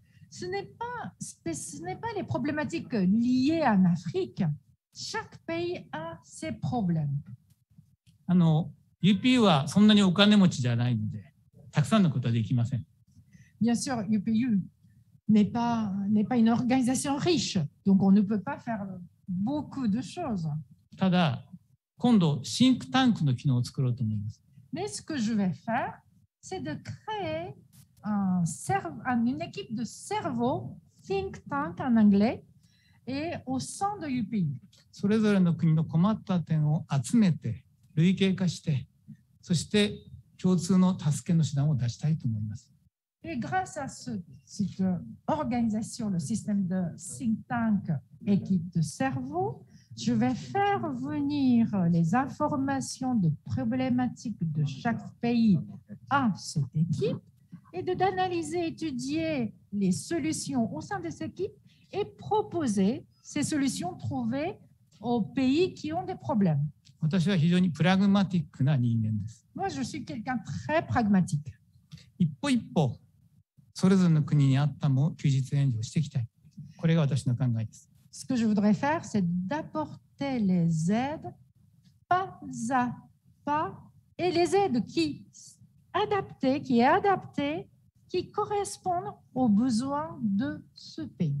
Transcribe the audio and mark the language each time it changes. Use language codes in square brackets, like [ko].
[fr] Ce n'est pas les problématiques liées en Afrique. Chaque pays a ses problèmes. [ja] UPU はそんなにお金持ちじゃないので、たくさんのことはできません。 [fr] Bien sûr, UPU n'est pas une organisation riche, donc on ne peut pas faire beaucoup de choses. [ja] ただ、今度シンクタンクの機能を作ろうと思います。 [fr] Mais ce que je vais faire, c'est de créer une équipe de cerveau, think tank en anglais, et au sein de UPU. [ja] それぞれの国の困った点を集めて、類型化して、そして共通の助けの手段を出したいと思います。 [fr] Et grâce à cette organisation, le système de think tank, équipe de cerveau, je vais faire venir les informations de problématiques de chaque pays à cette équipe et d'analyser, étudier les solutions au sein de cette équipe et proposer ces solutions trouvées aux pays qui ont des problèmes. [ja] 私は非常にプラグマティックな人間です。 [fr] Moi, je suis quelqu'un très pragmatique. [ja] 一歩一歩、それぞれの国にあったも休日援助をしていきたい。これが私の考えです。 [fr] Ce que je voudrais faire, c'est d'apporter les aides pas à pas et les aides qui sont adaptées, qui correspondent aux besoins de ce pays.